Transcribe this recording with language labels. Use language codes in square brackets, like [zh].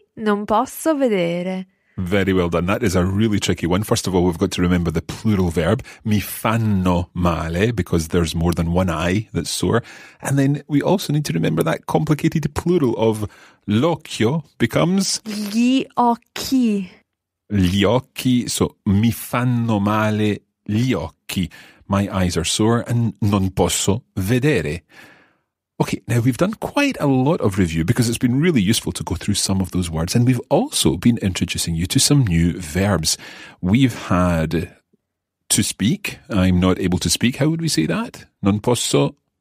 [it] Non posso vedere. [en] Very well done. That is a really tricky one. First of all, we've got to remember the plural verb. [it] Mi fanno male, [en] because there's more than one eye that's sore. And then we also need to remember that complicated plural of l'occhio becomes... [it] Gli occhi. Gli occhi, so mi fanno male gli occhi. [en] My eyes are sore and [it] non posso vedere. [en] Okay, now we've done quite a lot of review because it's been really useful to go through some of those words. And we've also been introducing you to some new verbs. We've had to speak. I'm not able to speak. How would we say that? [it] Non posso...